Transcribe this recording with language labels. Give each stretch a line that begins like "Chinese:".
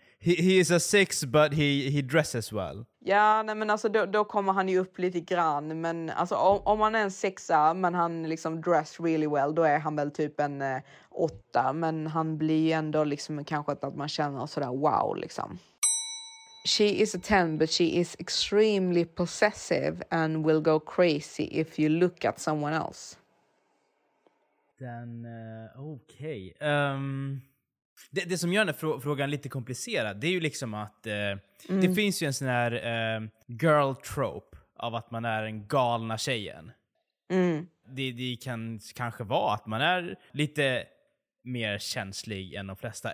English: he is a six, but he dresses well.
Swedish: Ja, nej, men alltså då kommer han ju upp lite grann. Men alltså, om han är en sexa, men han liksom
English: dressed really well,
Swedish: då är han väl typ en... åtta, men han blir ändå liksom kanske att man känner sådär wow liksom.
English: She is a 10, but she is extremely possessive and will go crazy if you look at someone else.
Swedish: Den, okej. Det som gör den frågan lite komplicerad, det är ju liksom att det finns ju en sån här
English: girl trope
Swedish: av att man är en galna tjejen. Mm. Det kan kanske vara att man är lite mer känslig än de flesta.